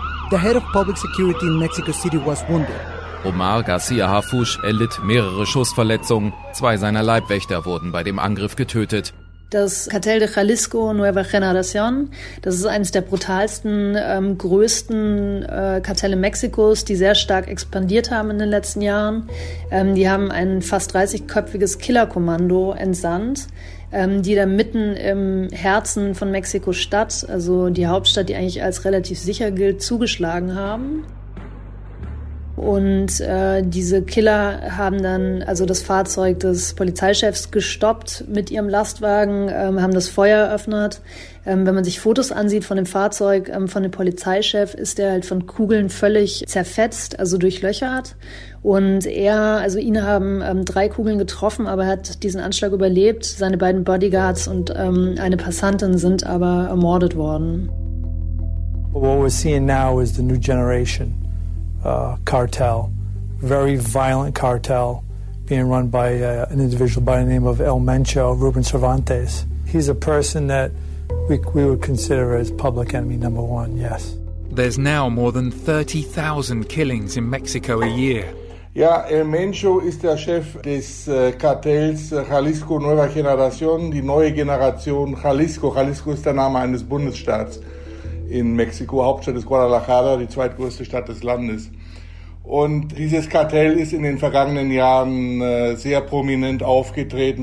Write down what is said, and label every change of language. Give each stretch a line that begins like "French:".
English: The head of public security in Mexico City was wounded.
German: Omar Garcia Harfuch erlitt mehrere Schussverletzungen. Zwei seiner Leibwächter wurden bei dem Angriff getötet. Das Cartel de Jalisco Nueva Generación, das ist eines der brutalsten, größten Kartelle Mexikos, die sehr stark expandiert haben in den letzten Jahren. Die haben ein fast 30-köpfiges Killerkommando entsandt, die da mitten im Herzen von Mexiko-Stadt, also die Hauptstadt, die eigentlich als relativ sicher gilt, zugeschlagen haben. Und diese Killer haben dann also das Fahrzeug des Polizeichefs gestoppt mit ihrem Lastwagen, haben das Feuer eröffnet. Wenn man sich Fotos ansieht von dem Fahrzeug, von dem Polizeichef, ist der halt von Kugeln völlig zerfetzt, also durchlöchert. Und ihn haben drei Kugeln getroffen, aber er hat diesen Anschlag überlebt. Seine beiden Bodyguards und eine Passantin sind aber ermordet worden.
English: What we're seeing now is the new generation. Cartel, very violent cartel, being run by an individual by the name of El Mencho, Ruben Cervantes. He's a person that we would consider as public enemy number one, yes. There's now more than 30,000 killings in Mexico a year.
German: Ja, El Mencho ist der Chef des Kartells Jalisco Nueva Generación, die neue Generation Jalisco. Jalisco ist der Name eines Bundesstaats. In Mexiko, Hauptstadt ist Guadalajara, die zweitgrößte Stadt des Landes. Und dieses Kartell ist in den vergangenen Jahren sehr prominent aufgetreten.